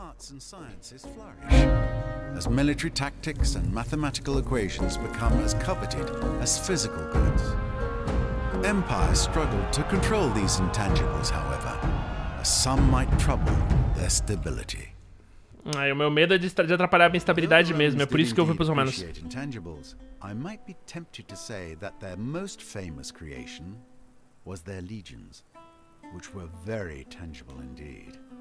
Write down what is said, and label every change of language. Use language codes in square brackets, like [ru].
[en] And sciences flourish as military tactics and mathematical equations become as coveted as physical goods. Empires struggled to control these intangibles, however, as some might trouble their stability. [pt] Ai, o meu medo é de atrapalhar a minha estabilidade mesmo, é por isso que eu fui pros romanos. [en] I might be tempted to say that their most famous creation was their legions. which were very tangible indeed.